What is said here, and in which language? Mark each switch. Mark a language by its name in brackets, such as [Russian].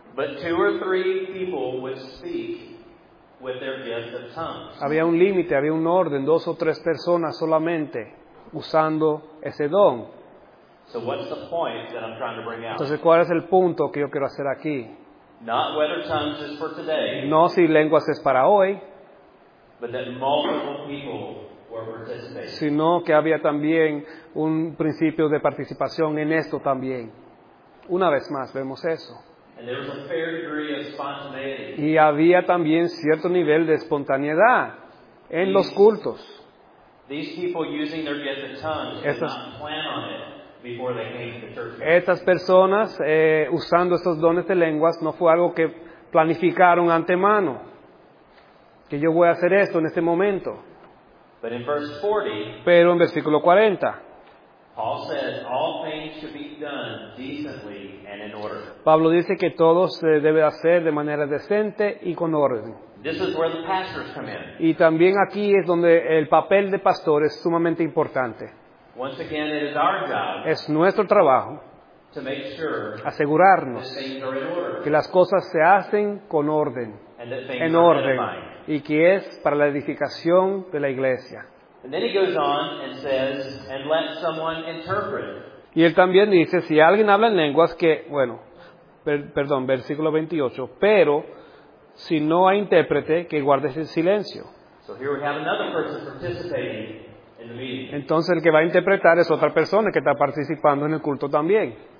[English] But two or three people would speak with their gift of tongues. [Spanish] Había un límite, había un orden, dos o tres personas solamente usando ese don. [English] So what's the point that I'm trying to bring out? [Spanish] Entonces, ¿cuál es el punto que yo quiero hacer aquí? [English] Not whether tongues is for today, [Spanish] no si lenguas es para hoy, [English] but that multiple people were participating. [Spanish] Sino que había también un principio de participación en esto también. Una vez más, vemos eso. [English] And there was a fair degree of spontaneity. [Spanish] Y había también cierto nivel de espontaneidad en los cultos. [English] These people using their gift of tongues did not plan on it. Before they came to church. [Spanish] Estas personas usando estos dones de lenguas no fue algo que planificaron antemano. Que yo voy a hacer esto en este momento. [English] But in verse 40, [Spanish] pero en versículo 40, [English] Paul says all things should be done decently and in order. [Spanish] Pablo dice que todo se debe hacer de manera decente y con orden. [English] This is where the pastors come in. [Spanish] Y también aquí es donde el papel de pastor es sumamente importante. [English] Once again, it is our job. [Spanish] Es nuestro trabajo [English] to make sure [Spanish] asegurarnos que las cosas se hacen con orden, [English] and that things [Spanish] en orden, y que es para la edificación de la iglesia. [English] And then he goes on and says, and let someone interpret. [Spanish] Y él también dice, si alguien habla en lenguas, que, bueno, perdón, versículo 28, pero si no hay intérprete, que guarde ese silencio. [English] So here we have another person participating. [Spanish] Entonces el que va a interpretar es otra persona que está participando en el culto también.